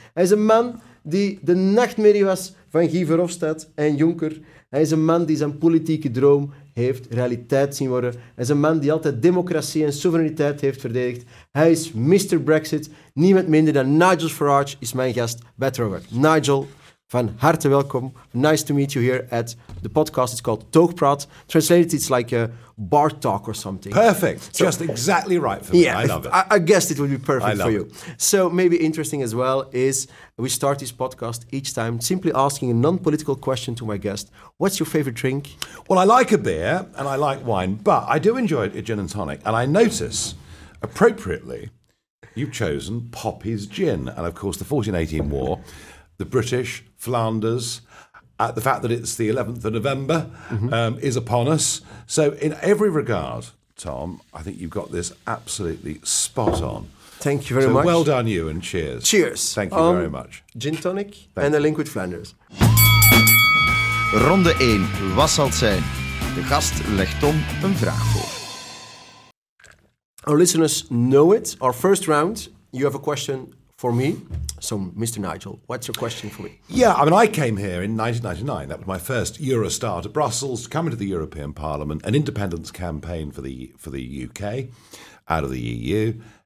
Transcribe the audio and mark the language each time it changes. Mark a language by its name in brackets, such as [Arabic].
[Dutch] Hij is een man die de nachtmerrie was van Guy Verhofstadt en Juncker. Hij is een man die zijn politieke droom heeft realiteit zien worden. Hij is een man die altijd democratie en soevereiniteit heeft verdedigd. Hij is Mr. Brexit. Niemand minder dan Nigel Farage is mijn gast bij Trover. Nigel, van harte welkom. [English] Nice to meet you here at the podcast. It's called Toogpraat. Translated, it's like a bar talk or something. Perfect. So, just exactly right for me. Yeah, I love it. I guessed it would be perfect for you. So maybe interesting as well is we start this podcast each time simply asking a non-political question to my guest. What's your favorite drink? Well, I like a beer and I like wine, but I do enjoy a gin and tonic. And I notice, appropriately, you've chosen Poppy's Gin. And of course, the 1418 War, the British, Flanders, the fact that it's the 11th of November is upon us. So in every regard, Tom, I think you've got this absolutely spot on. Thank you very much. Well done, you, and cheers. Cheers. Thank you very much. Gin tonic and a link with Flanders. [Dutch] Ronde 1, wat zal het zijn? De gast legt Tom een vraag voor. [English] Our listeners know it. Our first round, you have a question for me. So, Mr. Nigel, what's your question for me? Yeah, I mean, I came here in 1999. That was my first Eurostar to Brussels, to come into the European Parliament, an independence campaign for the UK, out of the EU.